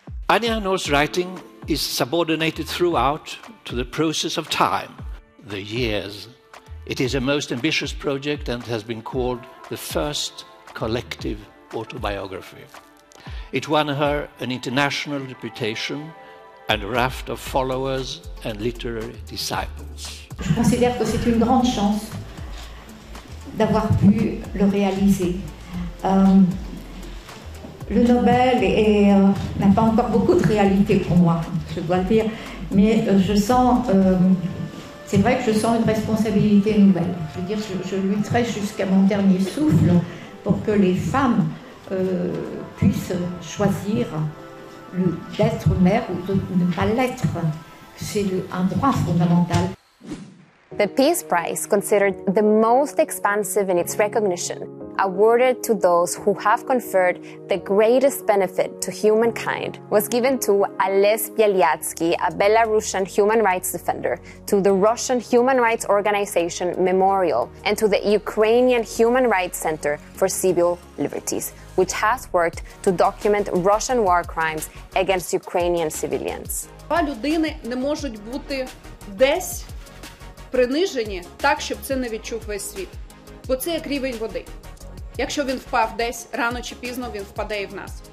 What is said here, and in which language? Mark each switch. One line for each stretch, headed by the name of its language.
English: Annie Ernaux's writing is subordinated throughout to the process of time, the years. It is a most ambitious project and has been called the first collective autobiography. It won her an international reputation and a raft of followers and literary disciples.
French: Je considère que c'est une grande chance d'avoir pu le réaliser. Le Nobel n'a pas encore beaucoup de réalité pour moi, je dois le dire, mais je sens, c'est vrai que je sens une responsabilité nouvelle. Je veux dire, je lutterai jusqu'à mon dernier souffle pour que les femmes puissent choisir d'être mère ou de ne pas l'être. C'est un droit fondamental.
English: The Peace Prize, considered the most expansive in its recognition, awarded to those who have conferred the greatest benefit to humankind, was given to Aleš Bielyatsky, a Belarusian human rights defender, to the Russian Human Rights Organization Memorial, and to the Ukrainian Human Rights Center for Civil Liberties, which has worked to document Russian war crimes against Ukrainian civilians.
Ukrainian: Людини не можуть бути десь принижені так, щоб це не відчув весь світ. Бо це як рівень води. Якщо він впав десь, рано чи пізно він впаде і в нас.